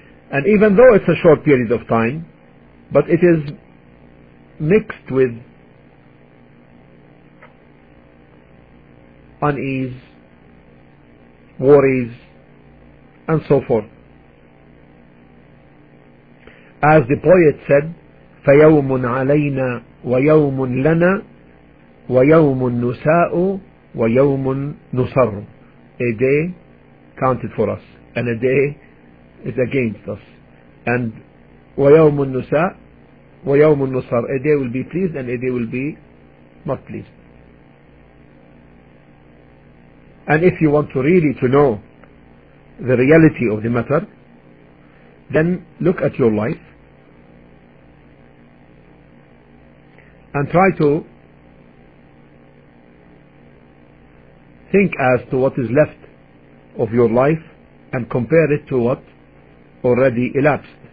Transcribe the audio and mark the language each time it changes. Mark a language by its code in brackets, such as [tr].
[en] And even though it's a short period of time, but it is mixed with unease, worries, and so forth. As the poet said, [ar] فَيَوْمٌ عَلَيْنَا وَيَوْمٌ لَنَا وَيَوْمٌ نُسَاءُ وَيَوْمٌ نُصَرُ. [en] A day counted for us, and a day is against us. [ar] And وَيَوْمٌ نُسَاءُ وَيَوْمٌ نُصَرُ. [en] A day will be pleased and a day will be not pleased. And if you want to really to know the reality of the matter, then look at your life and try to think as to what is left of your life and compare it to what already elapsed.